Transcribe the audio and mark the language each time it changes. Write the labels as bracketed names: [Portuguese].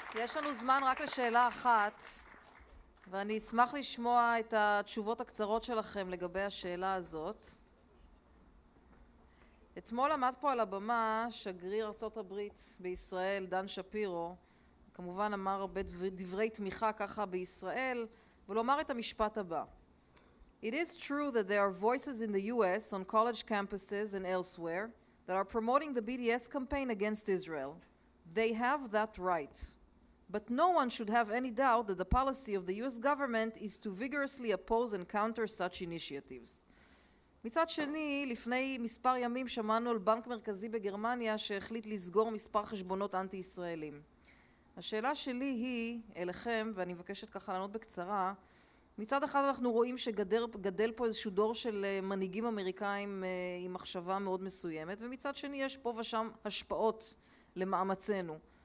[Hebrew] יש לנו זמן רק לשאלה אחת, ואני אשמח לשמוע את התשובות הקצרות שלכם לגבי השאלה הזאת. אתמול עמד פה על הבמה שגריר ארצות הברית בישראל, דן שפירו, כמובן אמר הרבה דברי תמיכה ככה בישראל, ולומר את המשפט הבא. [English] It is true that there are voices in the US on college campuses and elsewhere that are promoting the BDS campaign against Israel. They have that right. But no one should have any doubt that the policy of the US government is to vigorously oppose and counter such initiatives. [Hebrew] מצד שני, לפני מספר ימים שמענו על בנק מרכזי בגרמניה שהחליט לסגור מספר חשבונות אנטי-ישראלים. השאלה שלי היא אליכם, ואני מבקשת ככה לענות בקצרה, מצד אחד אנחנו רואים שגדל פה איזשהו דור של מנהיגים אמריקאים עם מחשבה מאוד מסוימת, ומצד שני יש פה ושם השפעות למאמצנו.